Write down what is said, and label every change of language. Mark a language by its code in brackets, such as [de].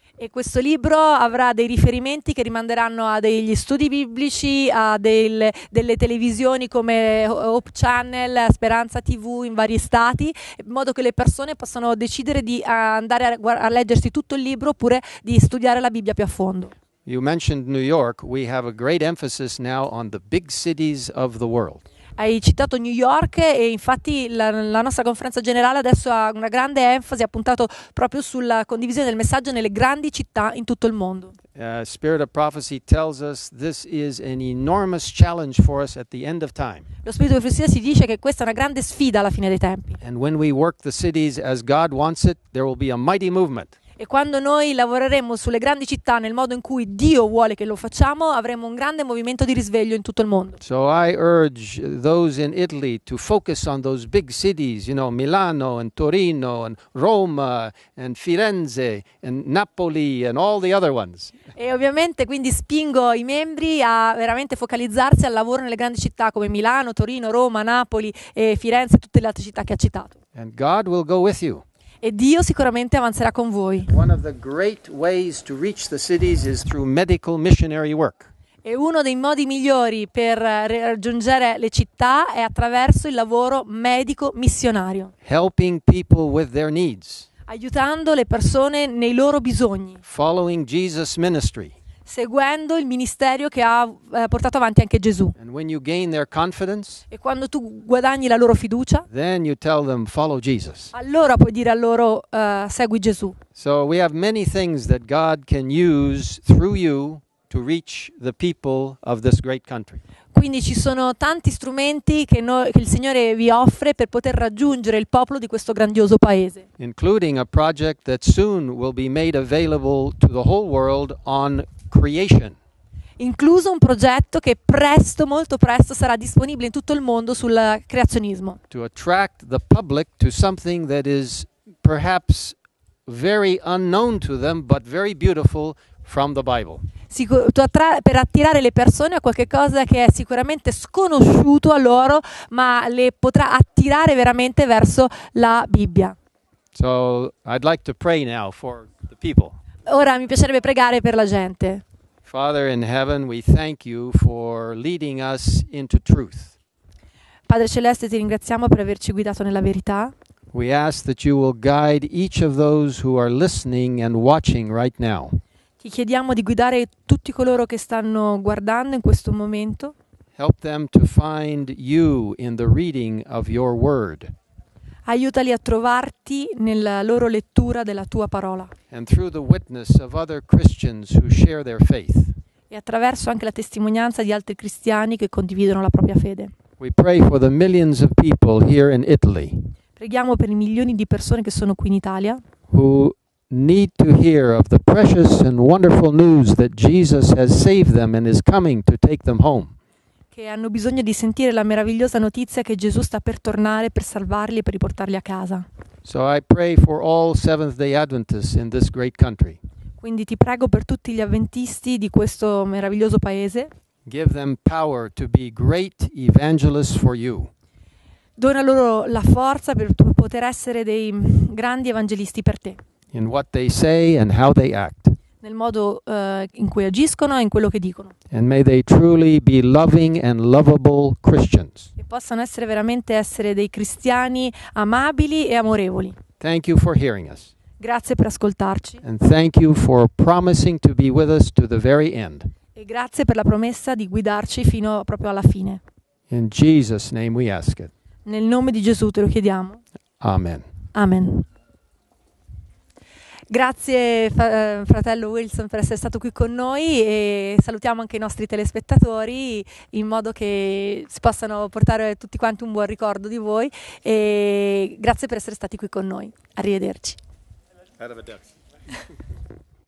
[it] E questo libro avrà dei riferimenti che rimanderanno a degli studi biblici, a delle televisioni come Hope Channel, Speranza TV in vari stati, in modo che le persone possano decidere di andare a leggersi tutto il libro oppure di studiare la Bibbia più a fondo. [en] You mentioned New York, we have a great emphasis now on the big cities of the world. [it] Hai citato New York e infatti la nostra conferenza generale adesso ha una grande enfasi, ha puntato proprio sulla condivisione del messaggio nelle grandi città in tutto il mondo. [en] Spirit of Prophecy tells us this is an enormous challenge for us at the end of time. [it] Lo spirito di profezia ci dice che questa è una grande sfida alla fine dei tempi. [en] And when we work the cities as God wants it, there will be a mighty movement. [it] E quando noi lavoreremo sulle grandi città nel modo in cui Dio vuole che lo facciamo, avremo un grande movimento di risveglio in tutto il mondo. [en] So I urge those in Italy to focus on those big cities, you know, Milano and Torino and Roma and Firenze and Napoli and all the other ones. [it] E ovviamente quindi spingo i membri a veramente focalizzarsi al lavoro nelle grandi città come Milano, Torino, Roma, Napoli e Firenze e tutte le altre città che ha citato. [en] And God will go with you. [it] E Dio sicuramente avanzerà con voi. [en] One of the great ways to reach the cities is through medical missionary work. [it] E uno dei modi migliori per raggiungere le città è attraverso il lavoro medico missionario. [en] Helping people with their needs. [it] Aiutando le persone nei loro bisogni. [en] Following Jesus' ministry. [it] seguendo il ministero che ha portato avanti anche Gesù. [en] And when you gain their confidence, [it] e quando tu guadagni la loro fiducia, [en] then you tell them, follow Jesus. [it] Allora puoi dire a loro, segui Gesù. [en] So we have many things that God can use through you to reach the people of this great country. [it] Quindi ci sono tanti strumenti che, noi, che il Signore vi offre per poter raggiungere il popolo di questo grandioso paese. [en] Including a project that soon will be made available to the whole world on creation. [it] Incluso un progetto che presto, molto presto, sarà disponibile in tutto il mondo sul creazionismo. [en] To attract the public to something that is perhaps very unknown to them but very beautiful from the Bible. [it] Per attirare le persone a qualche cosa che è sicuramente sconosciuto a loro, ma le potrà attirare veramente verso la Bibbia. [en] So I'd like to pray now for the people. [it] Ora mi piacerebbe pregare per la gente. [en] Father in heaven, we thank you for leading us into truth. [it] Padre celeste, ti ringraziamo per averci guidato nella verità. [en] We ask that you will guide each of those who are listening and watching right now. [it] Ti chiediamo di guidare tutti coloro che stanno guardando in questo momento. [en] Help them to find you in the reading of your word. [it] Aiutali a trovarti nella loro lettura della tua parola. [en] And through the witness of other Christians who share their faith. [it] E attraverso anche la testimonianza di altri cristiani che condividono la propria fede. [en] We pray for the millions of people here in Italy. [it] Preghiamo per i milioni di persone che sono qui in Italia. [en] Who need to hear of the precious and wonderful news that Jesus has saved them and is coming to take them home. [it] Che hanno bisogno di sentire la meravigliosa notizia che Gesù sta per tornare per salvarli e per riportarli a casa. [en] So I pray for all Seventh-day Adventists in this great country. [it] Quindi ti prego per tutti gli avventisti di questo meraviglioso paese. [en] Give them power to be great evangelists for you. [it] Dona loro la forza per poter essere dei grandi evangelisti per te. [en] In what they say and how they act. [it] Nel modo in cui agiscono e in quello che dicono. [en] And may they truly be loving and lovable Christians. [it] E possano essere veramente essere dei cristiani amabili e amorevoli. [en] Thank you for hearing us. [it] Grazie per ascoltarci. [en] And thank you for promising to be with us to the very end. [it] E grazie per la promessa di guidarci fino proprio alla fine. [en] In Jesus' name we ask it. [it] Nel nome di Gesù te lo chiediamo. [en] Amen. [it] Amen. Grazie fratello Wilson per essere stato qui con noi e salutiamo anche i nostri telespettatori in modo che si possano portare tutti quanti un buon ricordo di voi e grazie per essere stati qui con noi. Arrivederci.